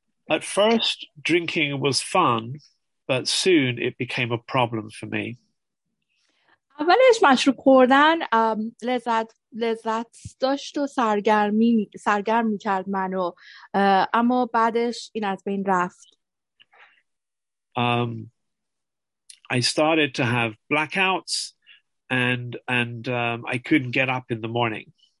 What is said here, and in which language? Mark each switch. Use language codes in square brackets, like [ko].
[en] At first drinking was fun, but soon it became a problem for me. [fa] اولش مشروب خوردن لذت داشت و سرگرمی کرد منو، اما بعدش این از بین رفت. [en] I started to have blackouts and I couldn't get up in the morning.